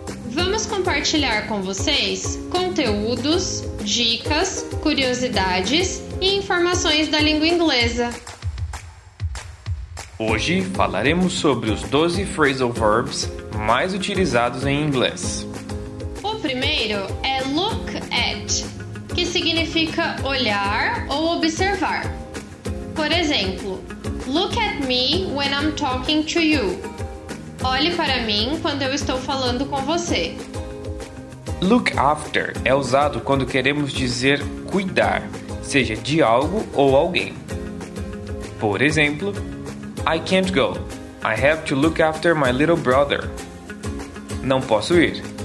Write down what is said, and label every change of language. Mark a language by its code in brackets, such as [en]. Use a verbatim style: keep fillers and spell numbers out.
[pt] Vamos compartilhar com vocês conteúdos, dicas, curiosidades e informações da língua inglesa. Hoje falaremos sobre os doze phrasal verbs mais utilizados em inglês. O primeiro é look at, que significa olhar ou observar. Por exemplo, [en] look at me when I'm talking to you. [pt] Olhe para mim quando eu estou falando com você. Look after é usado quando queremos dizer cuidar, seja de algo ou alguém. Por exemplo, [en] I can't go. I have to look after my little brother. [pt] Não posso ir.